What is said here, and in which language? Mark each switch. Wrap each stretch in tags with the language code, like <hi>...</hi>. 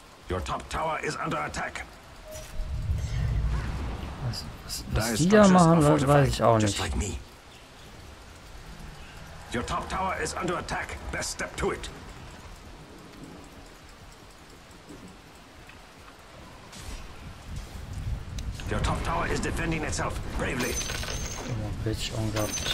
<en>Your top tower is under attack.</en> <de>Was die da machen, weiß ich auch nicht.</de> <en>Like your top tower is under attack. Best step to it. Your top tower is defending itself bravely. Oh, bitch, on guard.</en>